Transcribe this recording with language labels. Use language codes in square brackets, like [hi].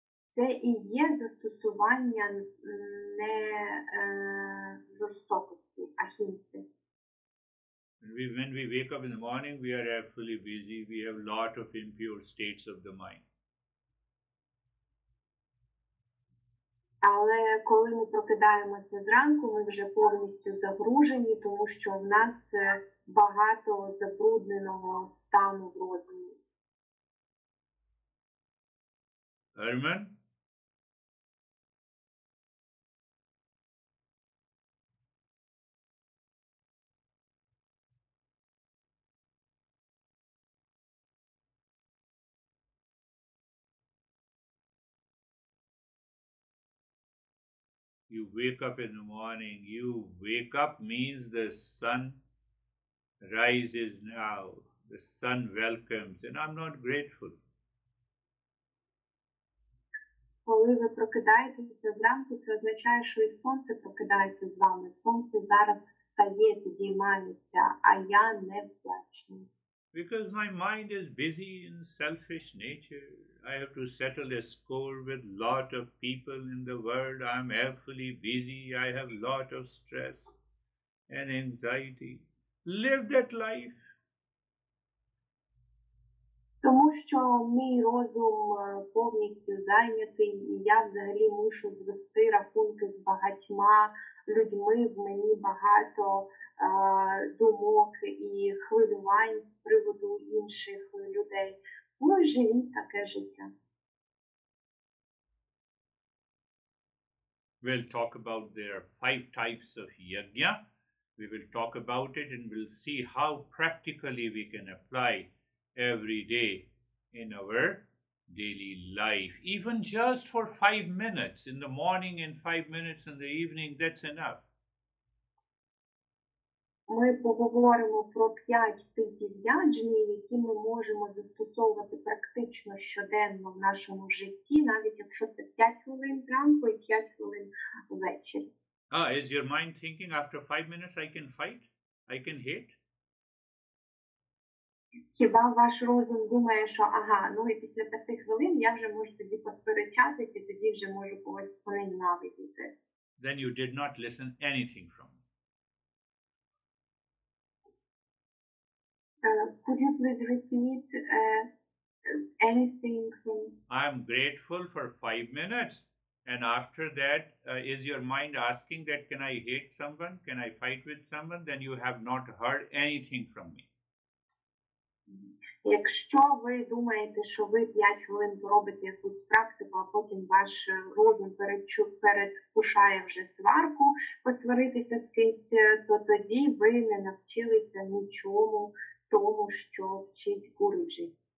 [uk] Це і є застосування не жорстокості, ахімси. [en] When we wake up in the morning, we are fully busy. We have a lot of impure states of the mind. [uk] Але коли ми прокидаємося зранку, ми вже повністю загружені, тому що в нас багато забрудненого стану в розумі. [en] Herman? You wake up in the morning. You wake up means the sun rises now. The sun welcomes, and I'm not grateful. [uk] Коли ви прокидаєтеся зранку, це означає, що і сонце прокидається з вами. Сонце зараз встає, підіймається, а я не вдячний. [en] Because my mind is busy in selfish nature. I have to settle a score with lot of people in the world. I am awfully busy. I have lot of stress and anxiety. Live that life. [uk] Тому що мій розум повністю зайнятий, і я взагалі мушу звести рахунки з багатьма людьми. В мені багато думок і хвилювань з приводу інших людей. Ну і живіть таке життя. [en] We'll talk about there five types of yajna. We will talk about it and we'll see how practically we can apply every day in our daily life. Even just for 5 minutes in the morning and 5 minutes in the evening, that's enough. [uk] Ми поговоримо про 5 типів яджні, які ми можемо застосовувати практично щоденно в нашому житті, навіть якщо це 5 хвилин зранку і 5 хвилин ввечері. [en] Is your mind thinking after 5 minutes I can fight? I can hate? [uk] Хіба ваш розум думає, що і після 5 хвилин я вже можу тоді посперечатися, тоді вже можу когось поненавидіти? [en] Then you did not listen anything from me. Could you please repeat anything from me? I'm grateful for 5 minutes. And after that, is your mind asking that, can I hate someone? Can I fight with someone? Then you have not heard anything from me. [uk] Якщо ви думаєте, що ви 5 хвилин робите якусь практику, а потім ваш розум передвкушає вже сварку, посваритися з кимось, то тоді ви не навчилися нічому тому, що вчить Гуруджі.